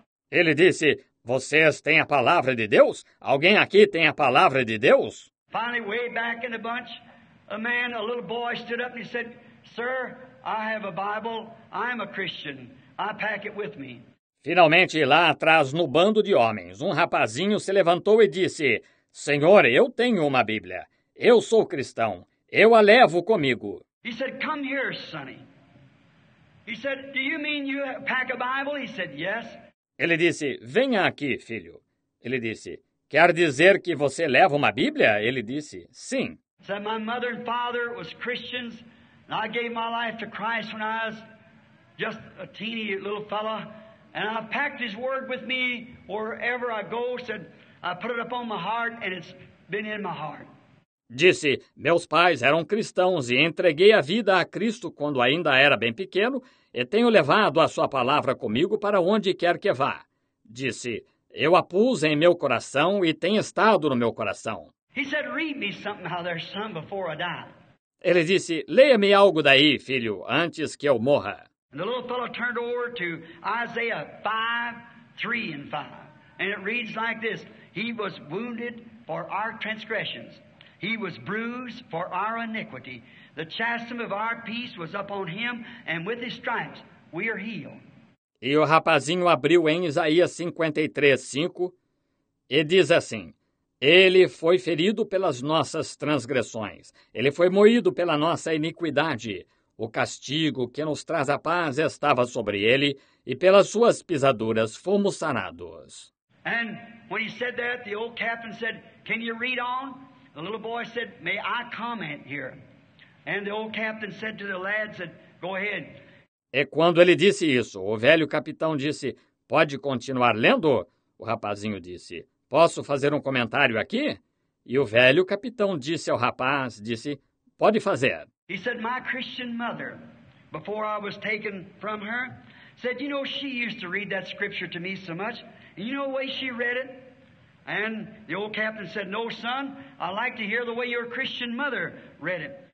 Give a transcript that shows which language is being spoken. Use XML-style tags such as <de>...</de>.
<pt>Ele disse, vocês têm a palavra de Deus? Alguém aqui tem a palavra de Deus?</pt> <en>Finally, way back in the bunch, a man, a little boy, stood up and he said, "Sir, I have a Bible, I'm a Christian, I pack it with me."</en> <pt>Finalmente, lá atrás, no bando de homens, um rapazinho se levantou e disse, "Senhor, eu tenho uma Bíblia. Eu sou cristão. Eu a levo comigo."</pt> <en>He said, "Come here, sonny." He said, "Do you mean you pack a Bible?" He said, "Yes."</en> <pt>Ele disse, "Venha aqui, filho." Ele disse, "Quer dizer que você leva uma Bíblia?" Ele disse, "Sim."</pt> <en>He said, "My mother and father was Christians, and I gave my life to Christ when I was just a teeny little fella. And I packed his word with me wherever I go, said, I put it up on my heart, and it's been in my heart."</en> <pt>Disse, "Meus pais eram cristãos e entreguei a vida a Cristo quando ainda era bem pequeno, e tenho levado a sua palavra comigo para onde quer que vá." Disse, "Eu a pus em meu coração e tem estado no meu coração."</pt> <en>He said, "Read me something out there, son, before I die."</en> <pt>Ele disse, "Leia-me algo daí, filho, antes que eu morra."</pt> <en>And the little fellow turned over to Isaiah 5, 3 and 5. And it reads like this, "He was wounded for our transgressions. He was bruised for our iniquity. The chastisement of our peace was upon him, and with his stripes we are healed."</en> <pt>E o rapazinho abriu em Isaías 53, 5, e diz assim, "Ele foi ferido pelas nossas transgressões. Ele foi moído pela nossa iniquidade. O castigo que nos traz a paz estava sobre ele, e pelas suas pisaduras fomos sanados."</pt> <en>And when he said that, the old captain said, "Can you read on?" The little boy said, "May I comment here?" And the old captain said to the lad, said, "Go ahead."</en> <pt>E quando ele disse isso, o velho capitão disse, "Pode continuar lendo?" O rapazinho disse, "Posso fazer um comentário aqui?" E o velho capitão disse ao rapaz, disse, "Pode fazer."</pt> <en>He said, "My Christian mother, before I was taken from her, said, you know, she used to read that scripture to me so much. And you know the way she read it?" And the old captain said, "No, son, I like to hear the way your Christian mother read it."</en>